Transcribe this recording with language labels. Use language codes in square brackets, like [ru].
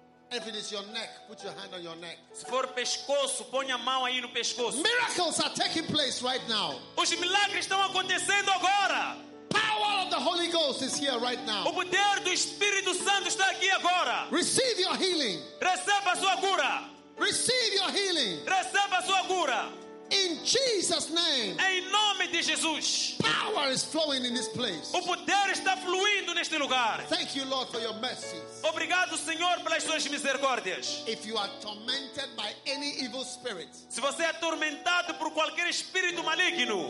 [en] If it is your neck, put your hand on your neck. [pt] Se for pescoço, ponha a mão aí no pescoço. [en] Miracles are taking place right now. [pt] Os milagres estão acontecendo agora. [en] Power of the Holy Ghost is here right now. [pt] O poder do Espírito Santo está aqui agora. [en] Receive your healing. [pt] Receba a sua cura. [en] Receive your healing. [pt] Receba a sua cura. [en] In Jesus' name. [pt] Em nome de Jesus. [en] Power is flowing in this place. [pt] O poder está fluindo neste lugar. [en] Thank you, Lord, for your mercy. [pt] Obrigado, Senhor, pelas suas misericórdias. [en] If you are tormented by any evil spirit, [pt] se você é atormentado por qualquer espírito maligno,